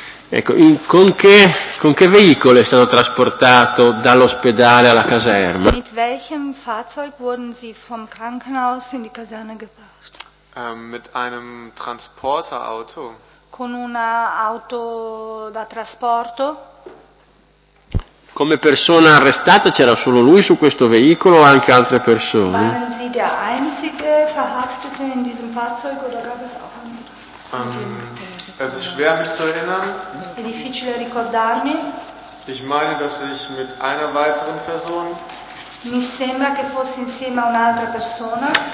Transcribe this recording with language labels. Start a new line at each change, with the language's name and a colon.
Italian: Ecco, con che veicolo è stato trasportato dall'ospedale alla caserma?
German: Mit welchem Fahrzeug wurden Sie vom Krankenhaus in die Kaserne gebracht? Mit einem Transporterauto.
Italian: Con una auto da trasporto. Come persona arrestata c'era solo lui su questo veicolo o anche altre persone?
German: Waren Sie der einzige Verhaftete in diesem Fahrzeug oder gab es auch andere? Es ist schwer mich zu erinnern.
Italian: È difficile ricordarmi.
German: Ich meine, dass ich mit einer weiteren Person.
Italian: Mi sembra che fossi insieme a un'altra persona.